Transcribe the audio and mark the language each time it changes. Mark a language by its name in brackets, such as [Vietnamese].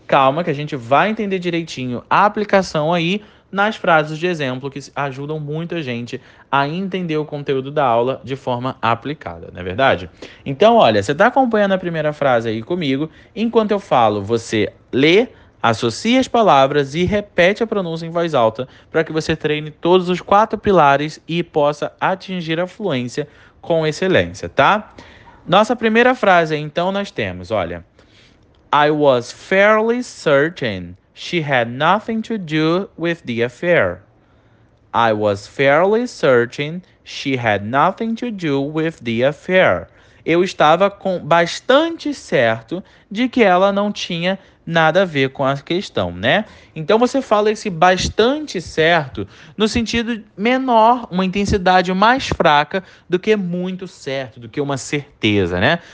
[Portuguese] Calma, que a gente vai entender direitinho a aplicação aí nas frases de exemplo que ajudam muito a gente a entender o conteúdo da aula de forma aplicada, não é verdade? Então, olha, você está acompanhando a primeira frase aí comigo. Enquanto eu falo, você lê, associa as palavras e repete a pronúncia em voz alta para que você treine todos os quatro pilares e possa atingir a fluência com excelência, tá? Nossa primeira frase, então, nós temos, olha, [English] I was fairly certain she had nothing to do with the affair. I was fairly certain she had nothing to do with the affair. [Portuguese] Eu estava com bastante certo de que ela não tinha nada a ver com a questão, né? Então você fala esse bastante certo no sentido menor, uma intensidade mais fraca do que muito certo, do que uma certeza, né?